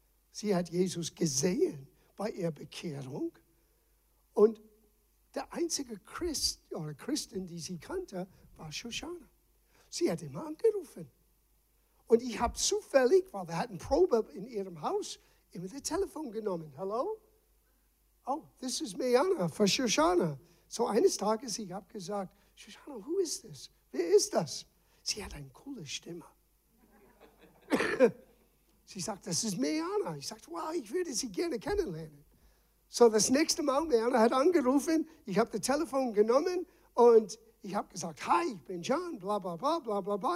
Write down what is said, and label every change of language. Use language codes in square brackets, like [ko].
[de] Sie hat Jesus gesehen bei ihrer Bekehrung. Und der einzige Christ oder Christin, die sie kannte, war Shoshana. Sie hat immer angerufen. Und ich habe zufällig, weil wir hatten Probe in ihrem Haus, immer das Telefon genommen. Hallo? [en] Oh, this is Mariana for Shoshana. [de] So eines Tages, ich habe gesagt, Shoshana, [en] who is this? [de] Wer ist das? Sie hat eine coole Stimme. Sie sagt, das ist Mariana. Ich sagte, wow, ich würde sie gerne kennenlernen. So das nächste Mal, Mariana hat angerufen, ich habe das Telefon genommen und ich habe gesagt, hi, ich bin John, bla bla bla bla bla bla.